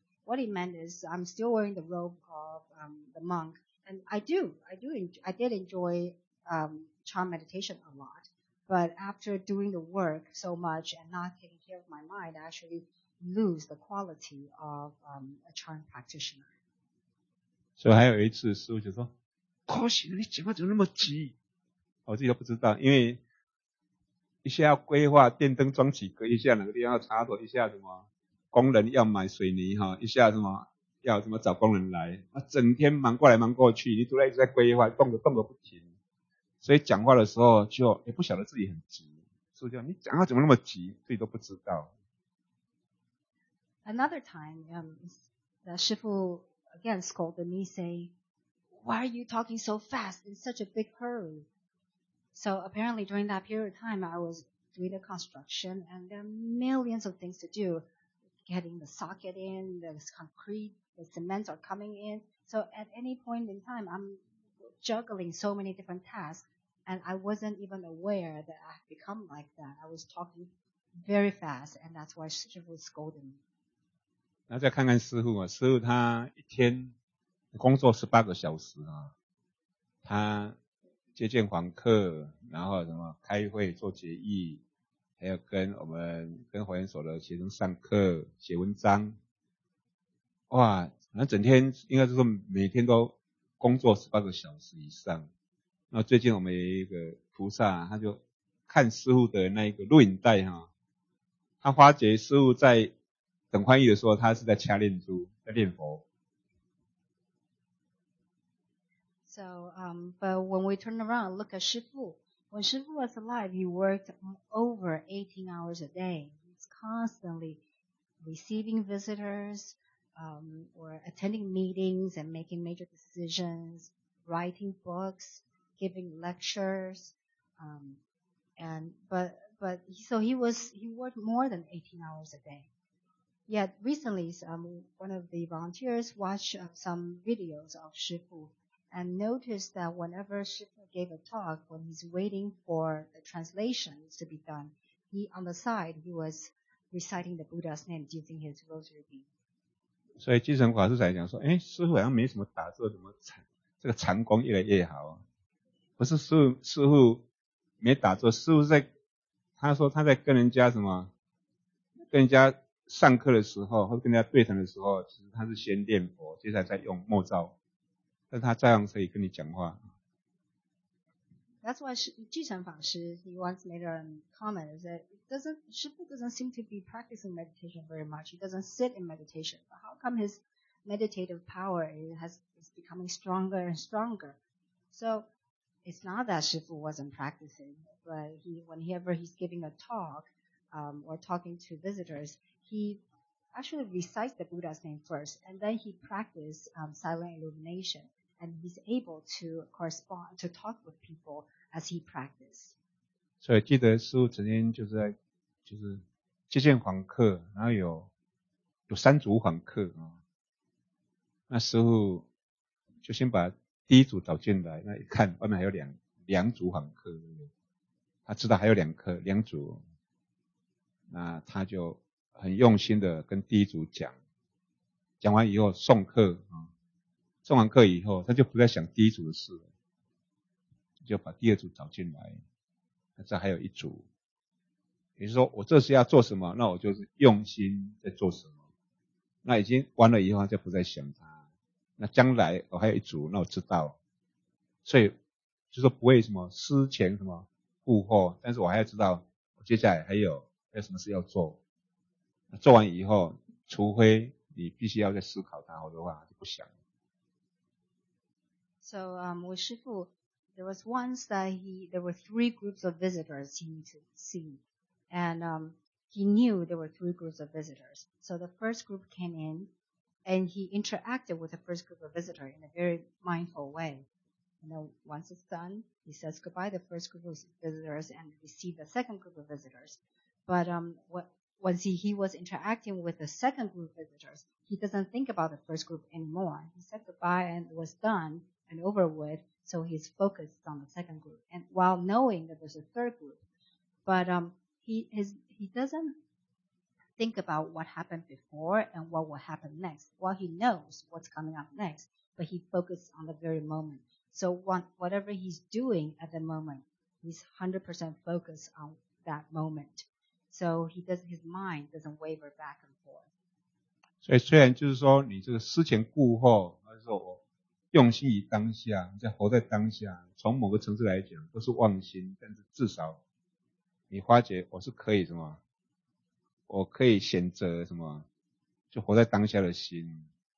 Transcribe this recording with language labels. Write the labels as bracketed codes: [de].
[en] What he meant is, I'm still wearing the robe of the monk. And I did enjoy Chan meditation a lot. But after doing the work so much and not taking care of my mind, actually,lose the quality of a Chan practitioner. [zh] So, 还有一次师父就说高兴你讲话怎么那么急我自己都不知道因为一下要规划电灯装几个一下哪个地方要插座一下什么工人要买水泥一下什么要什么找工人来整天忙过来忙过去你都在一直在规划动个不停所以讲话的时候就也不晓得自己很急师父就你讲话怎么那么急自己都不知道 [en] Another time, the Shifu again scolded me, saying, why are you talking so fast in such a big hurry? So apparently during that period of time, I was doing the construction, and there are millions of things to do, getting the socket in, the concrete, the cements are coming in. So at any point in time, I'm juggling so many different tasks, and I wasn't even aware that I had become like that. I was talking very fast, and that's why Shifu scolded me. [zh] 然后再看看师父啊，师父他一天工作18个小时啊，他接见访客，然后什么开会做决议，还有跟华严所的学生上课写文章，哇，那整天应该是说每天都工作18个小时以上。那最近我们有一个菩萨，他就看师父的那一个录影带哈，他发觉师父在。等翻译的时候，他是在掐念珠，在念佛。 [en] So, but when we turn around look at Shifu, when Shifu was alive, he worked over 18 hours a day. He's constantly receiving visitors, or attending meetings and making major decisions, writing books, giving lectures, he worked more than 18 hours a day. Yet recently, one of the volunteers watched some videos of Shifu and noticed that whenever Shifu gave a talk, when he's waiting for the translations to be done, he, on the side, he was reciting the Buddha's name using his rosary beads. [zh] 所以基成法师才讲说，诶，师父好像没什么打坐怎么禅，这个禅功越来越好。不是师父没打坐，师父在，他说他在跟人家什么，跟人家上课的时候，或者跟人家对谈的时候，其实他是先念佛，接下来再用默照，但他照样可以跟你讲话。 [en] That's why 继承法师 he once made a comment that Shifu doesn't seem to be practicing meditation very much. He doesn't sit in meditation. But how come his meditative power is becoming stronger and stronger? So it's not that Shifu wasn't practicing, but whenever he's giving a talk, or talking to visitors, he actually recites the Buddha's name first, and then he practices silent illumination. And he's able to correspond, to talk with people as he practiced. [zh] 所以记得师父曾经就是在就是接见访客，然后有三组访客，那师父就先把第一组找进来，那一看外面还有两组访客，他知道还有两组，那他就很用心的跟第一组讲完以后送客，送完课以后他就不再想第一组的事了，就把第二组找进来，那这还有一组，也就是说我这次要做什么，那我就是用心在做什么，那已经完了以后他就不再想他，那将来我还有一组，那我知道，所以就说不会什么思前什么顾后，但是我还要知道我接下来还有什么事要做，那做完以后除非你必须要再思考它，好的话就不想。 [en] So, with Shifu, there was once that there were three groups of visitors he needed to see. And, he knew there were three groups of visitors. So the first group came in and he interacted with the first group of visitors in a very mindful way. And then once it's done, he says goodbye to the first group of visitors and received the second group of visitors. But, once he was interacting with the second group of visitors, he doesn't think about the first group anymore. He said goodbye and it was done. And over with, so he's focused on the second group, and while knowing that there's a third group, but he doesn't think about what happened before and what will happen next. Well, he knows what's coming up next, but he focuses on the very moment. So whatever he's doing at the moment, he's 100% focused on that moment. So his mind doesn't waver back and forth. [zh] 所以虽然就是说你这个思前顾后，还是我。用心于当下，你在活在当下，从某个层次来讲都是妄心，但是至少你发觉我是可以什么，我可以选择什么，就活在当下的心。